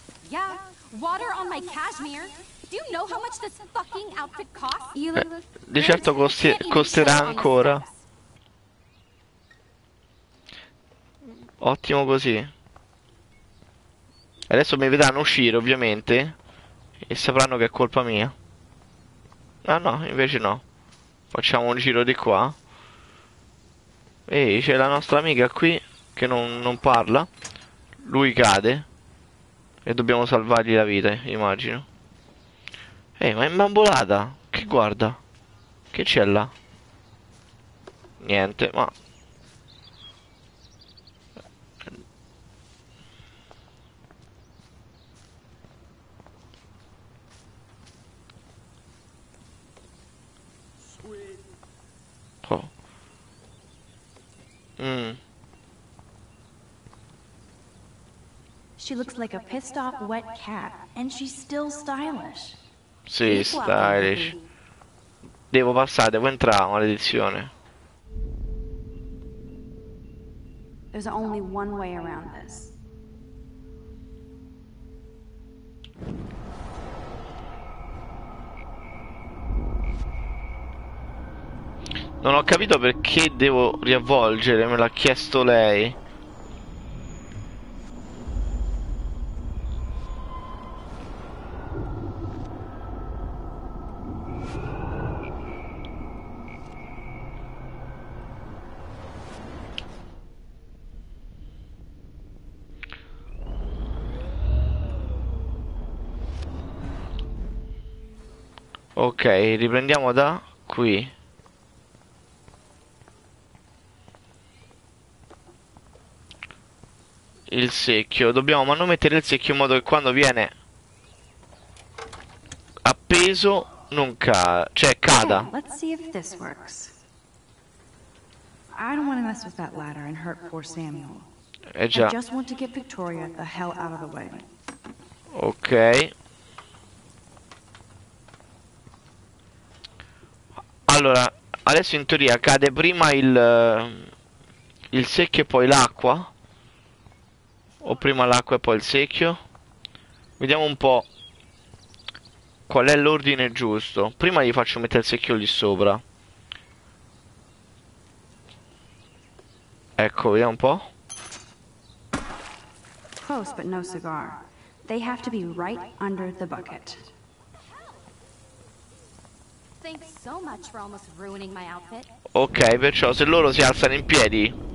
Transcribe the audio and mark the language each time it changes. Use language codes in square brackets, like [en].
[en] Yeah, water on my cashmere. Do you know how much this fucking outfit costs? [it] Di certo costerà ancora. Ottimo così. Adesso mi vedranno uscire, ovviamente. E sapranno che è colpa mia. Ah no, invece no. Facciamo un giro di qua. Ehi, c'è la nostra amica qui che non parla. Lui cade. E dobbiamo salvargli la vita, immagino. Ehi, ma è imbambolata. Che guarda. Che c'è là? Niente, ma. Mm. [en] She looks like a pissed off wet cat and she's still stylish. [it] Sì, stylish. Devo passare, devo entrare, maledizione. [en] There's only one way around this. [it] Non ho capito perché devo riavvolgere, me l'ha chiesto lei. Ok, riprendiamo da qui. Il secchio. Dobbiamo manomettere il secchio in modo che quando viene appeso non ca cioè [en] Okay, [it] cada. [en] let's see if this works. I don't want to mess with that ladder and hurt poor Samuel. Eh I [it] già. [en] just want to get Victoria the hell out of the way. [it] Ok. Allora, adesso in teoria cade prima il secchio e poi l'acqua? O prima l'acqua e poi il secchio? Vediamo un po' qual è l'ordine giusto. Prima gli faccio mettere il secchio lì sopra. Ecco, vediamo un po'. [en] Close, but no cigar. They have to be right under the bucket. Thanks so much for almost ruining my outfit. [it] Ok, perciò se loro si alzano in piedi.